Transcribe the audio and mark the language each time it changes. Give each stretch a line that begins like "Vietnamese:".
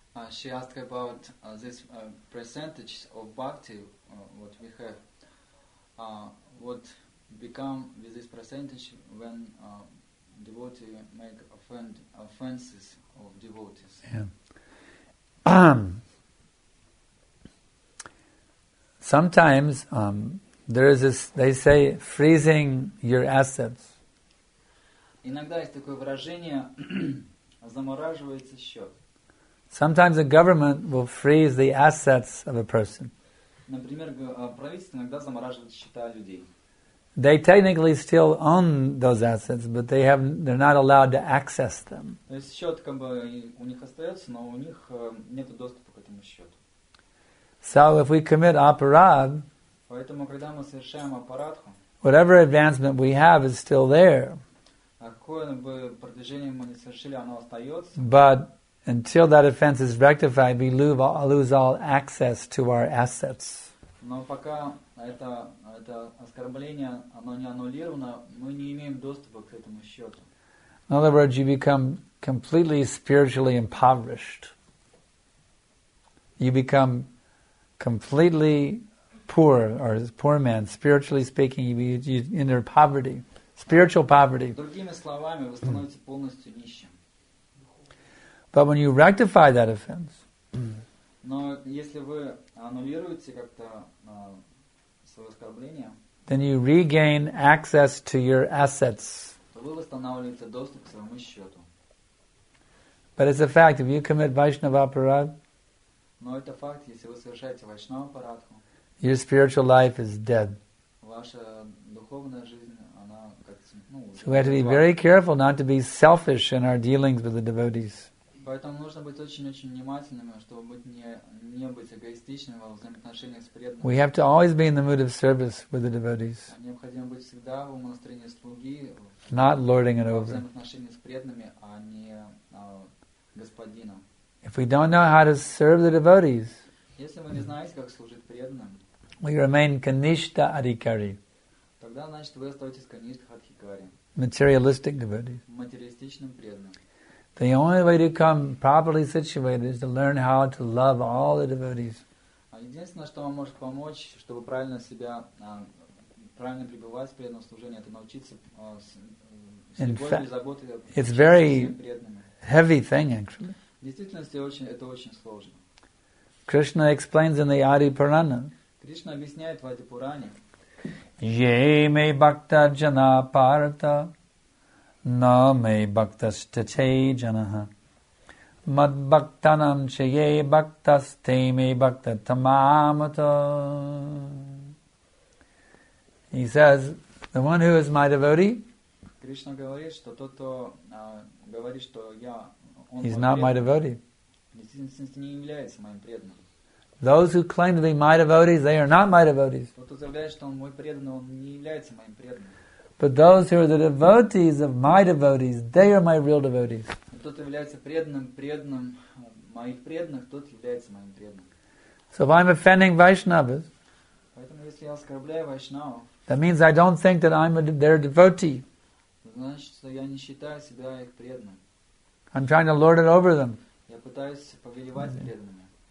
English: She asked about this percentage of bhakti, what we have, what become with this percentage when devotee make offenses of devotees. Yeah. Sometimes there is this, they say, freezing your assets.
Russian: Иногда есть такое выражение, замораживается счет.
English: Sometimes a government will freeze the assets of a person.
Russian: Например, правительство иногда замораживает счета людей.
English: They technically still own those assets, but they're not allowed to access them.
Russian: То есть счет как бы у них остается, но у них нет доступа к этому счету.
English: So if we commit aparad,
Russian: поэтому когда мы совершаем аппаратху,
English: whatever advancement we have is still there.
Russian: Какое бы продвижение мы не совершили, оно остается.
English: But until that offense is rectified, we lose all access to our assets.
Russian: Но пока это оскорбление, оно не аннулировано, мы не имеем доступа к этому счету.
English: In other words, you become completely spiritually impoverished. You become completely poor, or as a poor man, spiritually speaking, you enter poverty, spiritual poverty.
Russian: Другими словами, вы становитесь полностью нищим.
English: But when you rectify that offense,
Russian: но если вы аннулируете как-то свое оскорбление,
English: then you regain access to your assets.
Russian: То вы восстанавливаете доступ к своему счету.
English: But it's a fact, if you commit Vaishnavaparad,
Russian: но это факт, если вы совершаете Вайшнавапарадху,
English: your spiritual life is dead.
Russian: Ваша духовная жизнь, она как, ну,
English: so we have to be very careful not to be selfish in our dealings with the devotees.
Russian: Поэтому нужно быть очень-очень внимательными, чтобы не быть эгоистичным во взаимоотношениях с преданными.
English: We have to always be in the mood of service with the devotees.
Russian: Необходимо быть всегда в настроении слуги.
English: Not lording it over.
Russian: Во взаимоотношениях с преданными, а не господином.
English: If we don't know how to serve the devotees,
Russian: если вы не знаете, как служить преданным,
English: we remain kanishta adhikari.
Russian: Тогда, значит, вы остаетесь каништа адхикари.
English: Materialistic devotees.
Russian: Материалистичным преданным.
English: The only way to come properly situated is to learn how to love all the devotees.
Russian: Единственное, что вам может помочь, чтобы правильно себя, правильно пребывать в преданном служении, это научиться с любовью и заботой о преданных.
English: It's very heavy thing, actually.
Russian: В действительности это очень сложно.
English: Krishna explains in the Adi Purana.
Russian: Krishna объясняет в Ади Пуране.
Sanskrit: Yeme bhakta jana partha. Na me bhaktasthate janaha. Mad bhaktanam chaye bhaktaste me bhakta tamamata.
English: He says, the one who is my devotee,
Russian: Krishna говорит, что тот, кто говорит, что я,
English: he's not my devotee.
Russian: Действительно, не является моим преданным.
English: Those who claim to be my devotees, they are not my devotees.
Russian: Тот, кто заявляет, что он мой преданный, он не является моим преданным.
English: But those who are the devotees of my devotees, they are my real devotees.
Russian: Тот является преданным моих преданных, тот является моим преданным.
English: So if I'm offending Vaishnavas,
Russian: поэтому если я оскорбляю Вайшнава,
English: that means I don't think that I'm their devotee.
Russian: Значит, что я не считаю себя их преданным.
English: I'm trying to lord it over them.
Russian: Я пытаюсь повелевать преданными.